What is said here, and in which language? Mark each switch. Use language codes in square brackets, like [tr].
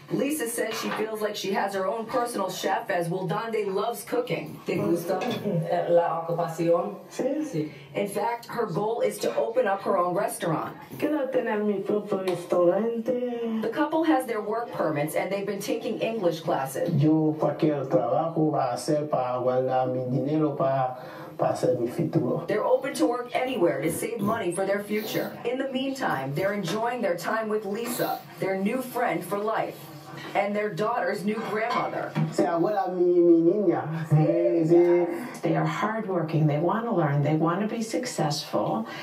[en] Lisa says she feels like she has her own personal chef, as Wildande loves cooking. [es] ¿Te gusta la ocupación? Sí. Sí. [en] In fact, her goal is to open up her own restaurant. [es] Quiero tener mi propio restaurante. [en] The couple has their work permits, and they've been taking English classes. [es] Yo cualquier trabajo va a ser para guardar mi dinero para hacer mi futuro. [en] They're open to work anywhere to save money for their future. In the meantime, they're enjoying their time with Lisa, their new friend for life, and their daughter's new grandmother. [es] Se abuela mi niña. [en] They are hardworking. They want to learn. They want to be successful.